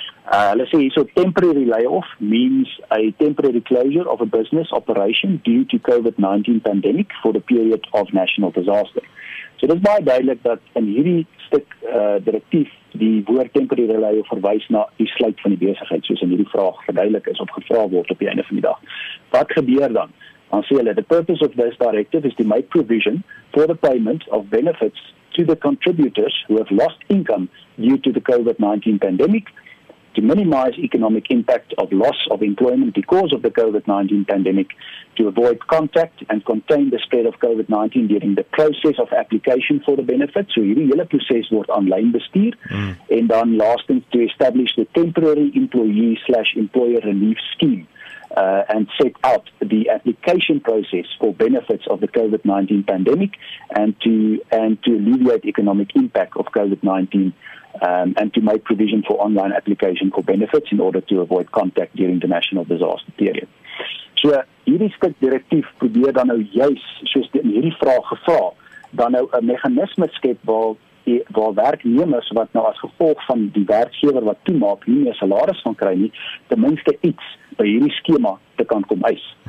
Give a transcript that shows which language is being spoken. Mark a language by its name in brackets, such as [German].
[Afrikaans] Hulle sê, [English] so temporary layoff means a temporary closure of a business operation due to COVID-19 pandemic for the period of national disaster. [Afrikaans] So, dit is baie duidelik dat in hierdie stuk directief die woord temporary layoff verwys na die sluit van die besigheid, soos in hierdie vraag verduidelik is of gevra word op die einde van die dag. Wat gebeur dan? Dan sê hulle, [English] the purpose of this directive is to make provision for the payment of benefits to the contributors who have lost income due to the COVID-19 pandemic, to minimize economic impact of loss of employment because of the COVID-19 pandemic, to avoid contact and contain the spread of COVID-19 during the process of application for the benefits. [Afrikaans] So hierdie hele proces word online bestuur. [English] And then last thing, to establish the temporary employee/employer relief scheme and set out the application process for benefits of the COVID-19 pandemic and to alleviate economic impact of COVID-19 and to make provision for online application for benefits in order to avoid contact during the national disaster period. [Afrikaans] So, hierdie stuk directief probeer dan nou juist, soos in hierdie vraag gevra, dan nou een mechanisme skep waar werknemers wat nou as gevolg van die werkgewer wat toemaak nie meer salaris van kry nie, tenminste iets by hierdie schema te kan kom eis.